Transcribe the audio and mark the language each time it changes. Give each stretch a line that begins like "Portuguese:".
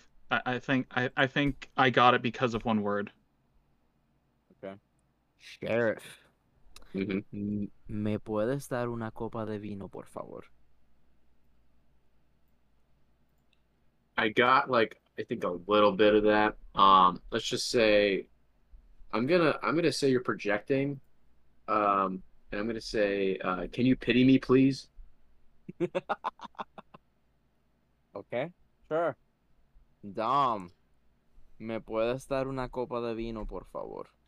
English: I think I got it because of one word. Okay. Sheriff. Mm-hmm.
Spanish: Me puedes dar una copa de vino, por favor?
English: I got, like, I think a little bit of that. Let's just say I'm gonna say you're projecting. And I'm gonna say, can you pity me, please? Okay. Sure.
Spanish: Dom, me puedes dar una copa de vino, por favor?